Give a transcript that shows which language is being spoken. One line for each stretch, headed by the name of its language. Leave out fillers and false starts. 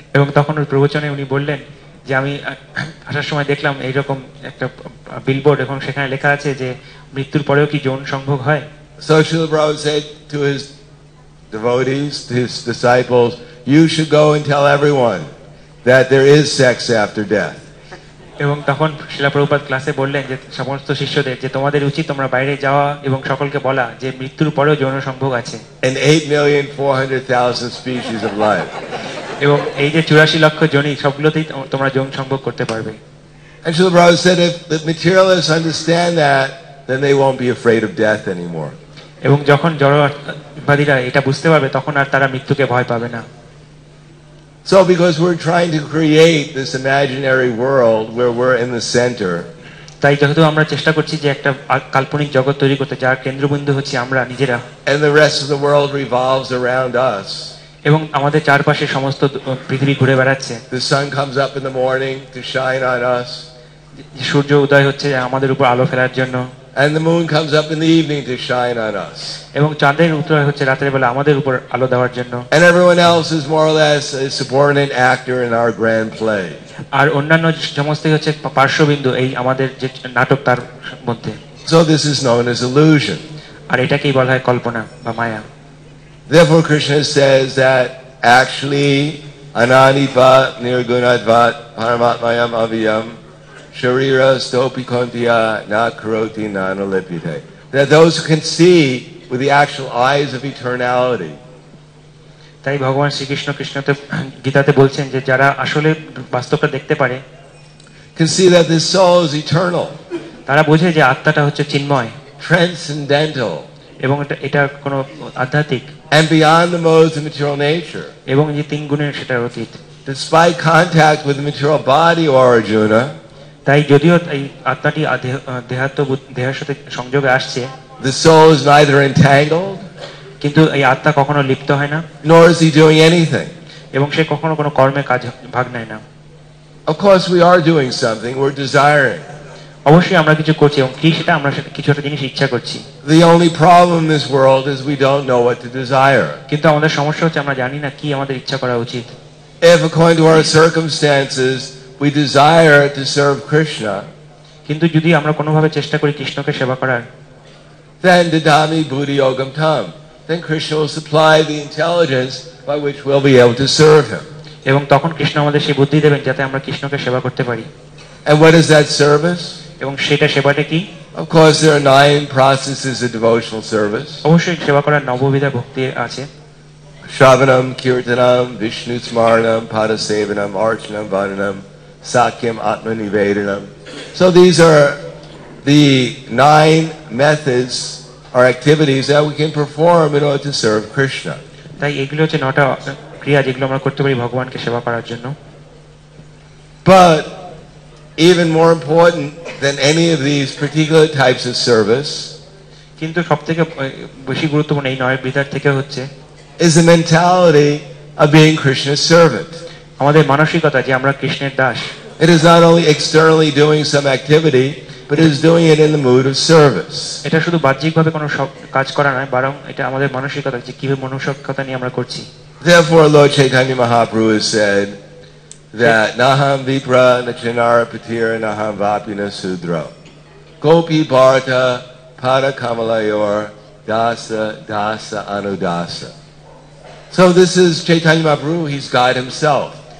Bangla: এবং তখন ওই প্রবচনে উনি বললেন যে আমি আসার সময় দেখলাম এইরকম একটা বিলবোর্ড এবং সেখানে লেখা আছে যে মৃত্যুর পরেও কি যৌন সংভোগ হয়।
English: So Srila Prabhupada said to his devotees, to his disciples, you should go and tell everyone that there is sex after death.
Bangla: এবং তখন শ্রীলা প্রভুপাদ ক্লাসে বললেন যে সমস্ত শিষ্যদের যে তোমাদের উচিত তোমরা বাইরে যাওয়া এবং সকলকে বলা যে মৃত্যুর পরেও যৌন সম্ভোগ আছে।
English: And 8,400,000 species of life.
Bangla: এবং এই যে 84 লক্ষ জনই সবগুলোতেই তোমরা যৌন সম্ভোগ করতে পারবে।
English: And Srila Prabhupada said if the materialists understand that, then they won't be afraid of death anymore.
Bangla: এবং যখন জড়বাদীরা এটা বুঝতে পারবে তখন আর তারা মৃত্যুকে ভয় পাবে না।
English: So because we're trying to create this imaginary world where we're in the center.
Bangla: তাই যেহেতু আমরা চেষ্টা করছি যে একটা কাল্পনিক জগৎ তৈরি করতে যার কেন্দ্রবিন্দু হচ্ছে আমরা নিজেরা।
English: And the rest of the world revolves around us.
Bangla: এবং আমাদের চারপাশে সমস্ত পৃথিবী ঘুরে বেড়াচ্ছে।
English: The sun comes up in the morning to shine on us.
Bangla: সূর্য উদয় হচ্ছে আমাদের উপর আলো ফেলার জন্য।
English: And the moon comes up in the evening to shine on us.
Bangla: এবং চাঁদের উদয় হচ্ছে রাতের বেলা আমাদের উপর আলো দেওয়ার জন্য।
English: And everyone else is more or less a subordinate actor in our grand play.
Bangla: আর অন্যান্য সমস্তই হচ্ছে পার্শ্ববিন্দু এই আমাদের যে নাটক তার মধ্যে।
English: So this is known as illusion.
Bangla: আর এটাকেই বলা হয় কল্পনা বা মায়া।
English: Therefore Krishna says that actually
Sanskrit: ananipa nirgunadvat paramatmayam avyam sharira stopikantiya na karoti nanalipite.
English: That those who can see with the actual eyes of eternality.
Bangla: তাই ভগবান শ্রী কৃষ্ণ কৃষ্ণতে গীতাতে বলছেন যে যারা আসলে বাস্তবটা দেখতে পারে
English: can see that this soul is eternal.
Bangla: তারা বোঝে যে আত্মাটা হচ্ছে চিন্ময়
English: transcendental.
Bangla: এবং এটা কোন আধ্যাত্মিক
English: and beyond the modes of material nature.
Bangla: এবং এই তিন গুণের সেটা অতীত
English: despite contact with the material body or Arjuna.
Bangla: তাই যদিও এই আত্মাটি দেহের সাথে সংযোগে আসছে
English: the soul is neither entangled
Bangla: কিন্তু এই আত্মা কখনো লিপ্ত হয় না
English: nor is he doing anything
Bangla: এবং সে কখনো কোনো কর্মে কাজ ভাগ নেয় না
English: of course we are doing something we're desiring
Bangla: অবশ্যই আমরা কিছু করছি এবং কি সেটা আমরা কিছু একটা জিনিস ইচ্ছা করছি
English: the only problem in this world is we don't know what to desire
Bangla: কিন্তু আমাদের সমস্যা হচ্ছে আমরা জানি না কি আমাদের ইচ্ছা করা উচিত
English: if according to our circumstances we desire to serve krishna
Bangla: কিন্তু যদি আমরা কোনো ভাবে চেষ্টা করি কৃষ্ণকে সেবা করার
English: then
Sanskrit: didami bhuti yogam tam
English: then krishna will supply the intelligence by which we'll be able to serve him
Bangla: এবং তখন কৃষ্ণ আমাদের সেই বুদ্ধি দেবেন যাতে আমরা কৃষ্ণকে সেবা করতে পারি
English: and what is that service
Bangla: এবং সেটা সেবাটা কি
English: of course there are 9 processes of devotional service
Bangla: অবশ্যই সেবা করার নববিধ ভক্তি আছে
Sanskrit: shravanam kirtanam vishnu smaranam pada sevanam archanam vandanam sakyam atmanivedanam
English: so these are the 9 methods or activities that we can perform in order to serve krishna
Bangla: তাই এগুলো হচ্ছে 9টা ক্রিয়া যেগুলো আমরা করতে পারি ভগবানকে সেবা করার জন্য
English: but even more important than any of these particular types of service
Bangla: কিন্তু সবথেকে বেশি গুরুত্বপূর্ণ এই 9 বিধার থেকে হচ্ছে
English: is the mentality of being krishna's servant
Bangla: আমাদের মানসিকতা যে আমরা কৃষ্ণের Das
English: it is not only externally doing some activity but is doing it in the mood of service
Bangla: এটা শুধু বাহ্যিকভাবে কোনো কাজ করা নয় বরং এটা আমাদের মানসিকতা যে কিভাবে মনুষ্যত্বতা নিয়ে আমরা করছি
English: therefore lord chaitanya mahaprabhu has said that
Sanskrit: naham vipra nachinara patira naham vapina sudra gopi bharata para kamalayor dasa dasa anudasa
English: so this is chaitanya mahaprabhu he's god himself